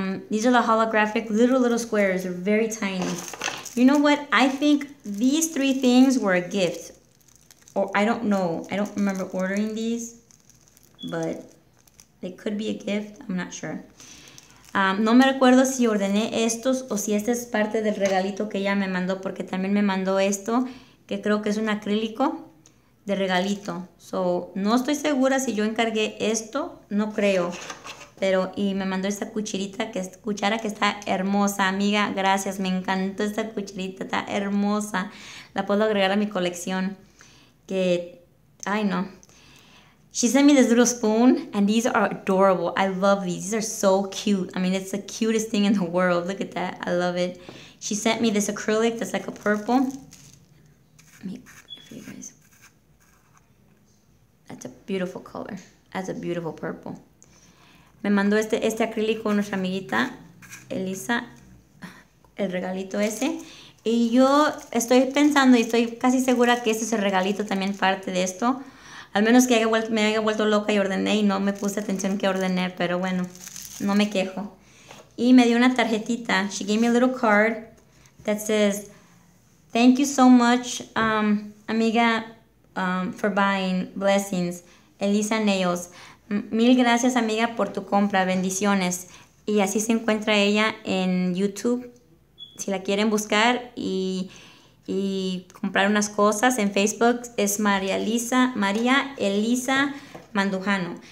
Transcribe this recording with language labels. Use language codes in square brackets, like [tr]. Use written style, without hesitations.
[en] These are the holographic little squares, they're very tiny. You know what, I think these three things were a gift. Or I don't know, I don't remember ordering these, but they could be a gift, I'm not sure. [es] No me recuerdo si ordené estos o si este es parte del regalito que ella me mandó, porque también me mandó esto, que creo que es un acrílico de regalito. So, no estoy segura si yo encargué esto, no creo. Pero, y me mandó esta cucharita, cuchara que está hermosa, amiga, gracias, me encantó esta cucharita, está hermosa. La puedo agregar a mi colección, que, ay no. [en] She sent me this little spoon, and these are adorable. I love these. These are so cute. I mean, it's the cutest thing in the world. Look at that. I love it. She sent me this acrylic that's like a purple. Let me get it for you guys. That's a beautiful color. That's a beautiful purple. [es] Me mandó este acrílico nuestra amiguita, Elisa, el regalito ese. Y yo estoy pensando y estoy casi segura que este es el regalito también parte de esto. Al menos que me haya vuelto loca y ordené y no me puse atención que ordené, pero bueno, no me quejo. Y me dio una tarjetita. [en] She gave me a little card that says, thank you so much, amiga, for buying blessings. [es] Elisa Nails, mil gracias amiga por tu compra, bendiciones. Y así se encuentra ella en YouTube, si la quieren buscar y comprar unas cosas en Facebook, es María Elisa Mandujano.